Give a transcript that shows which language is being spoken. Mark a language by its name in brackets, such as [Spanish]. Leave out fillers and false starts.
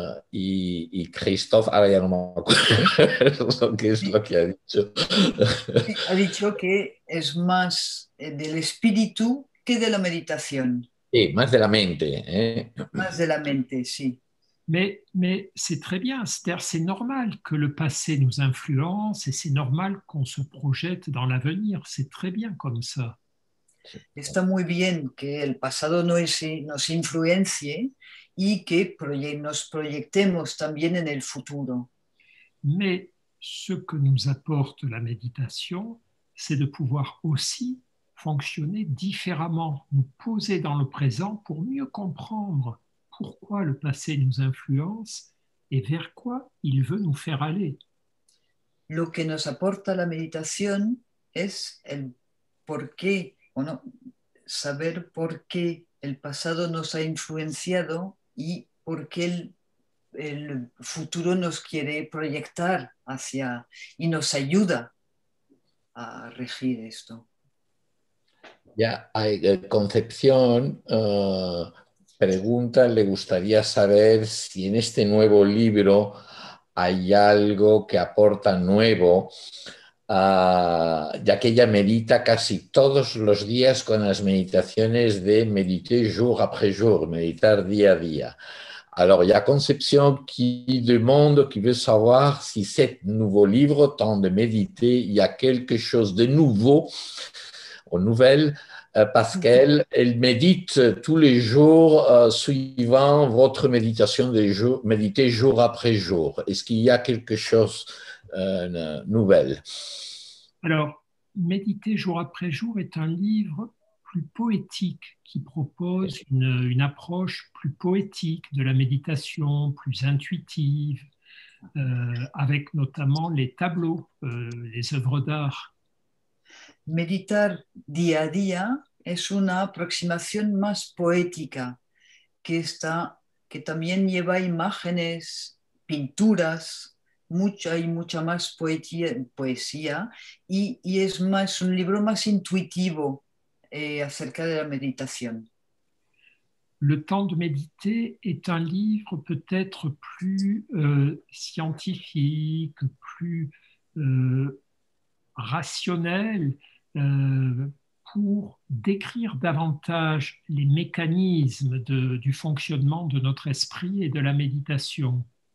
[Spanish] Y Christophe, ahora ya no me acuerdo qué es lo que ha dicho. Ha dicho que es más del espíritu que de la meditación. Sí, más de la mente. Más de la mente, sí. [French] Mais c'est très bien, c'est-à-dire c'est normal que le passé nous influence et c'est normal qu'on se projette dans l'avenir, c'est très bien comme ça. [Spanish] Está muy bien que el pasado nos influencie y que nos proyectemos también en el futuro. [French] Mais ce que nous apporte la méditation, c'est de pouvoir aussi fonctionner différemment, nous poser dans le présent pour mieux comprendre pourquoi le passé nous influence et vers quoi il veut nous faire aller. [Spanish] Lo que nos aporta la meditación es el por qué, bueno, saber por qué el pasado nos ha influenciado y por qué el futuro nos quiere proyectar hacia y nos ayuda a regir esto. Ya hay concepción. Pregunta, le gustaría saber si en este nuevo libro hay algo que aporta nuevo, ya que ella medita casi todos los días con las meditaciones de meditar [French] jour après jour, [Spanish] meditar día a día. [French] Alors, il y a Conception qui demande, qui veut savoir si ce nouveau livre, Temps de méditer, il y a quelque chose de nouveau aux nouvelles, parce qu'elle médite tous les jours suivant votre méditation, méditer jour après jour. Est-ce qu'il y a quelque chose de nouvel? Alors, Méditer jour après jour est un livre plus poétique qui propose une approche plus poétique de la méditation, plus intuitive, avec notamment les tableaux, les œuvres d'art. [Spanish] Meditar día a día es una aproximación más poética que también lleva imágenes, pinturas, mucha más poesía y es más un libro más intuitivo acerca de la meditación. [French] Le temps de méditer est un livre peut-être plus scientifique, plus rationnel, pour décrire davantage les mécanismes du fonctionnement de notre esprit et de la méditation.